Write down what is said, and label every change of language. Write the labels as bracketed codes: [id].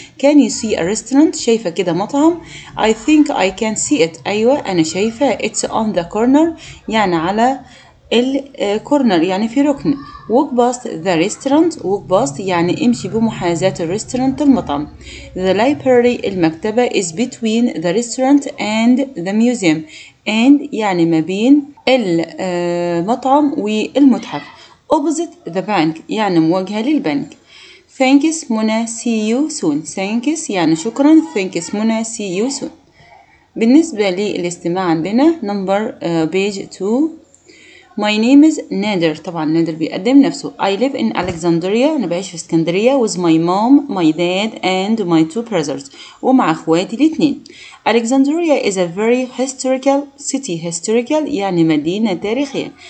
[en] Can you see a restaurant? [ar] شايفة كده مطعم. [en] I think I can see it. [ar] أيوة أنا شايفة. [en] It's on the corner. [ar] يعني على الكورنر يعني في ركن. [en] Walk past the restaurant. Walk past [ar] يعني امشي بمحاذاة الريستورانت المطعم. [en] The library المكتبة is between the restaurant and the museum. [ar] And يعني ما بين المطعم والمتحف. [en] Opposite the bank [ar] يعني مواجهة للبنك. [en] Thanks منى. See you soon. Thanks [ar] يعني شكرا. [en] Thanks منى. See you soon. [ar] بالنسبة للاستماع عندنا [en] number page 2. My name is Nader. [ar] طبعا نادر بيقدم نفسه. [en] I live in Alexandria. [ar] أنا بعيش في اسكندرية. [en] With my mom, my dad and my two brothers. [ar] ومع أخواتي الاثنين. [en] Alexandria is a very historical city. [ar] Historical يعني مدينة تاريخية.